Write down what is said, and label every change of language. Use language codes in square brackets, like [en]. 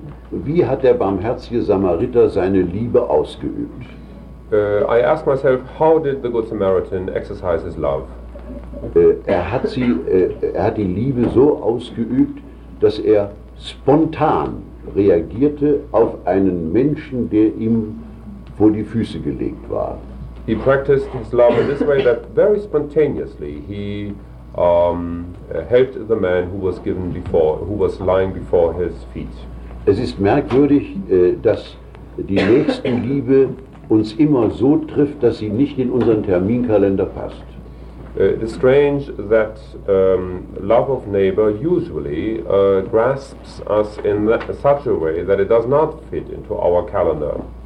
[de] Wie hat der barmherzige Samariter seine Liebe ausgeübt? [en] I ask myself, how did the Good Samaritan exercise his love? [de] Er hat die Liebe so ausgeübt, dass er spontan reagierte auf einen Menschen, der ihm vor die Füße gelegt war. [en] He practiced his love in this way that very spontaneously he helped the man who was lying before his feet. [de] Es ist merkwürdig, dass die Nächstenliebe uns immer so trifft, dass sie nicht in unseren Terminkalender passt. [en] It is strange that love of neighbor usually grasps us in such a way that it does not fit into our calendar.